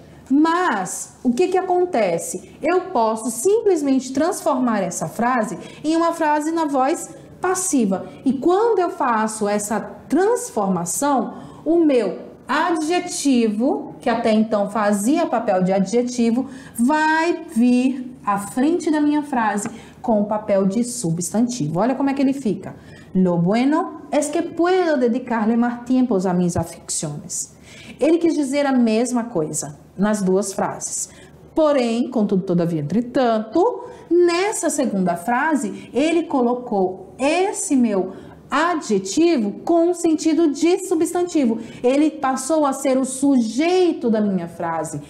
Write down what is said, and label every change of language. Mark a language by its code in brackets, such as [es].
[pt] Mas, o que acontece? Eu posso simplesmente transformar essa frase em uma frase na voz passiva. E quando eu faço essa transformação, o meu adjetivo, que até então fazia papel de adjetivo, vai vir à frente da minha frase com o papel de substantivo. Olha como é que ele fica. [es] Lo bueno es que puedo dedicarle más tiempo a mis aficiones. [pt] Ele quis dizer a mesma coisa nas duas frases. Porém, contudo, todavia, entretanto, nessa segunda frase, ele colocou esse meu adjetivo com o sentido de substantivo. Ele passou a ser o sujeito da minha frase.